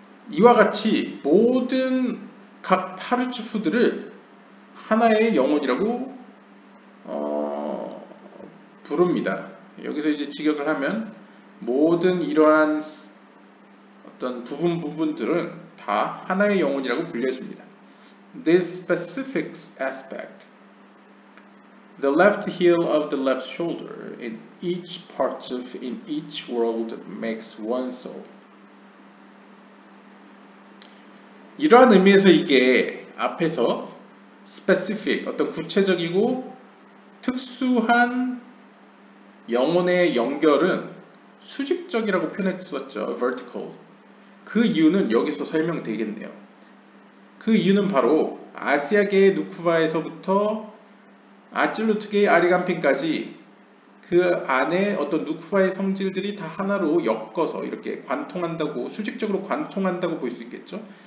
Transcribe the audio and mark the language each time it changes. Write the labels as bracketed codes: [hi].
[ko] 이와 같이 모든 각 파르추프들을 하나의 영혼이라고 부릅니다. 여기서 이제 직역을 하면 모든 이러한 어떤 부분 부분들은 다 하나의 영혼이라고 불려집니다. [en] This specific aspect, the left heel of the left shoulder, in each part of in each world makes one soul. [ko] 이러한 의미에서 이게 앞에서 specific 어떤 구체적이고 특수한 영혼의 연결은 수직적이라고 표현했었죠. [en] vertical. [ko] 그 이유는 여기서 설명되겠네요. 그 이유는 바로 아시아계의 누쿠바에서부터 아찔루트계의 아리간핀까지 그 안에 어떤 누쿠바의 성질들이 다 하나로 엮어서 이렇게 관통한다고 수직적으로 관통한다고 볼 수 있겠죠.